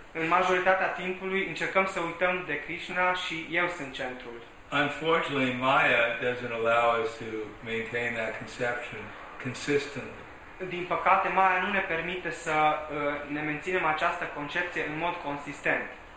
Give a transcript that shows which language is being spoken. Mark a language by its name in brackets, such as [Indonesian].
[Romanian] În majoritatea timpului încercăm să uităm de Krishna și eu sunt centrul. [English] Unfortunately, Maya doesn't allow us to maintain that conception consistently. [Romanian] Din păcate, Maya nu ne permite să ne menținem această concepție în mod consistent.